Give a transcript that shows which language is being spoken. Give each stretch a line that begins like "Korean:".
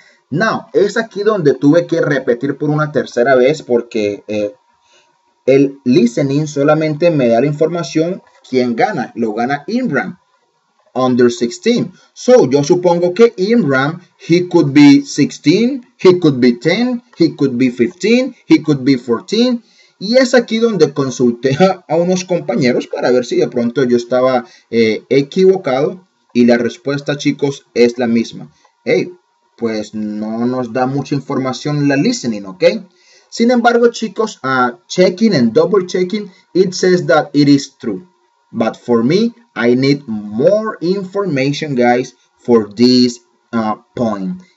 Spanish: Now, es aquí donde tuve que repetir por una tercera vez porque el listening solamente me da la información quién gana. Lo gana Imran, under 16.
English: So,
Spanish: yo supongo que
English: Imran, he could be 16, he could be 10, he could be 15, he could be 14.
Spanish: Y es aquí donde consulté a unos compañeros para ver si de pronto yo estaba equivocado. Y la respuesta, chicos, es la misma. Hey, pues no nos da mucha información la listening, ¿ok? Sin embargo, chicos,
English: checking and double checking, it says that it is true. But for me, I need more information, guys, for this point.